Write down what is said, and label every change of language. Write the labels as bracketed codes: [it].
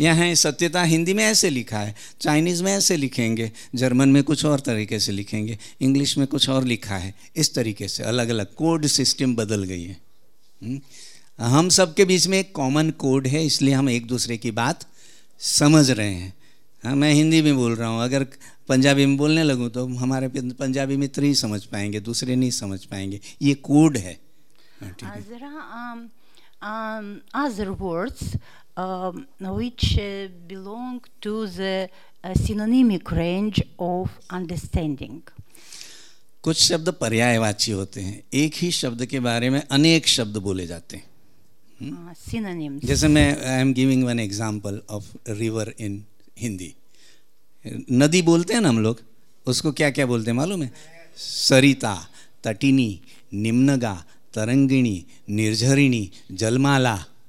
[hi] यहाँ सत्यता हिंदी में ऐसे लिखा है, चाइनीज में ऐसे लिखेंगे, जर्मन में कुछ और तरीके से लिखेंगे, इंग्लिश में कुछ और लिखा है, इस तरीके से अलग अलग कोड सिस्टम बदल गई है. हम सबके बीच में एक कॉमन कोड है, इसलिए हम एक दूसरे की बात समझ रहे हैं. हाँ, मैं हिंदी में बोल रहा हूँ, अगर पंजाबी में बोलने लगूँ तो हमारे पंजाबी मित्र ही समझ पाएंगे, दूसरे नहीं समझ पाएंगे. ये कोड है. [en] There are other words which belong to the synonymic range of understanding. [hi] कुछ शब्द पर्यायवाची होते हैं, एक ही शब्द के बारे में अनेक शब्द बोले जाते हैं. [en] Synonyms. [hi] जैसे मैं [en] I am giving one example of river in Hindi. [hi] नदी बोलते हैं ना हम लोग, उसको क्या क्या बोलते हैं मालूम है? सरिता, तटिनी, निम्नगा, तरंगिणी, निर्झरिणी, जलमाला.